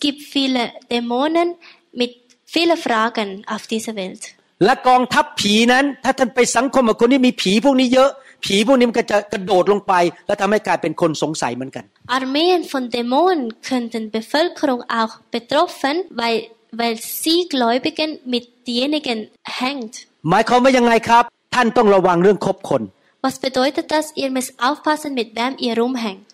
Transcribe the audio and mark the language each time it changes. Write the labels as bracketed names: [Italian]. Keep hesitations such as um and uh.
[German] gibt viele Dämonen mit vielen Fragen auf dieser Welt. [Thai] และกองทัพผีนั้น ถ้าท่านไปสังคมกับคนที่มีผีพวกนี้เยอะ ผีพวกนี้มันก็จะกระโดดลงไป และทําให้กลายเป็นคนสงสัยเหมือนกัน [German] Armeen von Dämonen könnten Bevölkerung auch betroffen weil weil sie Gläubigen mit denjenigen hängt [Thai] หมายความว่ายังไงครับ ท่านต้องระวังเรื่องคบคน [German] Was bedeutet das? Ihr müsst aufpassen, mit wem ihr rumhängt.